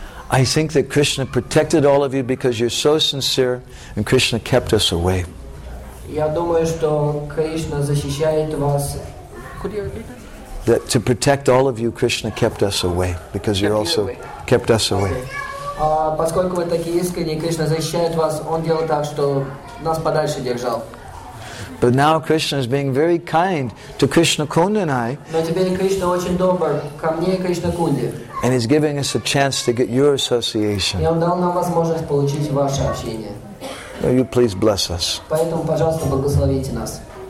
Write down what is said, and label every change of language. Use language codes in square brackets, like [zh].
[en] I think that Krishna protected all of you because you're so sincere, and Krishna kept us away. That to protect all of you, Krishna kept us away because you're also kept us away. [ru] Поскольку вы такие искренние, Кришна защищает вас. Он делал так, что нас подальше держал. [en] But now Krishna is being very kind to Krishna Kunda and I. [ru] Но теперь Кришна очень добр ко мне и Кришна Кунде. [en] And he's giving us a chance to get your association. [ru] И он дал нам возможность получить ваше общение. [en] Will you please bless us? [ru] Поэтому, пожалуйста, благословите нас.